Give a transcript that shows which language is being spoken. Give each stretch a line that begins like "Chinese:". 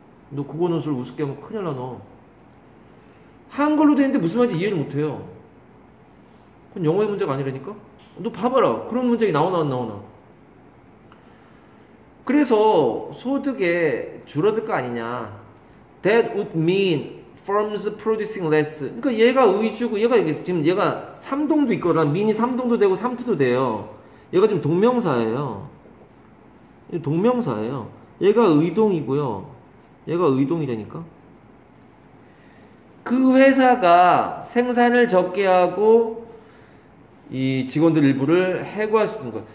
Korean: 너 국어 논술 우습게 하면 큰일 나, 너. 한글로 되어 있는데 무슨 말인지 이해를 못해요. 그건 영어의 문제가 아니라니까? 너 봐봐라. 그런 문장이 나오나 안 나오나. 그래서 소득에 줄어들 거 아니냐.
English: That would mean firms producing less.
Korean: 그러니까 얘가 의주고 얘가 여기서 지금 얘가 삼동도 있거든. mean이 삼동도 되고 삼투도 돼요. 얘가 지금 동명사예요. 동명사예요. 얘가 의동이고요. 얘가 의동이라니까. 그 회사가 생산을 적게 하고 이 직원들 일부를 해고할 수 있는 거야.